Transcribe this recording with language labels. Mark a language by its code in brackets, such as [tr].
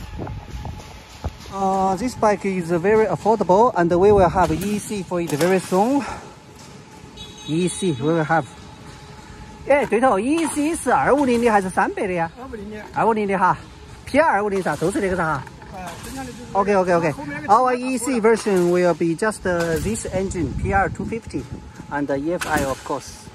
[en] The engine is 250cc, but the chassis engine number is actually wrong. The number N there should be M. Anyway, this bike is very affordable, and we will have EEC for it very soon. EEC, we will have. [zh] 哎，对头 ，EEC 是250的还是300的呀？250的。250的哈 ，P250啥，都是这个啥。 [en] Okay. Our EEC version will be just this engine, PR250, and the EFI, of course.